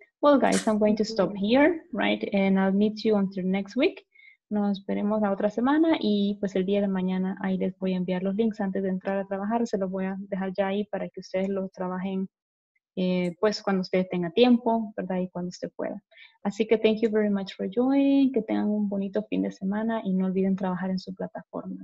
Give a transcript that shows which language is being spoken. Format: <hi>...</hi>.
<en>Well, guys, I'm going to stop here, right? And I'll meet you until next week.</en> <es>Nos esperemos la otra semana y pues el día de mañana ahí les voy a enviar los links antes de entrar a trabajar. Se los voy a dejar ya ahí para que ustedes los trabajen pues cuando ustedes tengan tiempo, ¿verdad? Y cuando usted pueda. Así que</es> <en>thank you very much for joining.</en> <es>Que tengan un bonito fin de semana y no olviden trabajar en su plataforma.</es>